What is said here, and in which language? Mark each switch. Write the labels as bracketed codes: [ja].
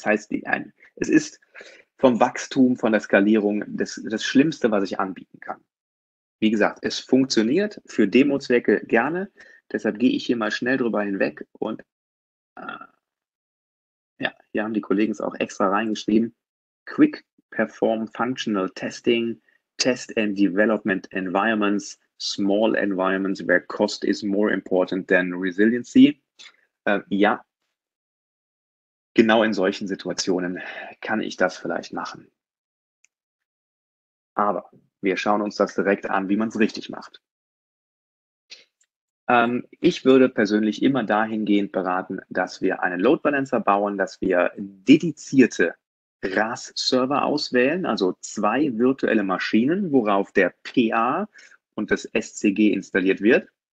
[de] Das heißt, es ist vom Wachstum, von der Skalierung das Schlimmste, was ich anbieten kann. Wie gesagt, es funktioniert für Demozwecke gerne. Deshalb gehe ich hier mal schnell drüber hinweg. Und ja, hier haben die Kollegen es auch extra reingeschrieben. [en] Quick Perform Functional Testing, Test and Development Environments, Small Environments, where Cost is more important than Resiliency. [de] Ja, genau in solchen Situationen kann ich das vielleicht machen. Aber wir schauen uns das direkt an, wie man es richtig macht. Ich würde persönlich immer dahingehend beraten, dass wir einen Load Balancer bauen, dass wir dedizierte RAS-Server auswählen, also zwei virtuelle Maschinen, worauf der PA und das SCG installiert wird.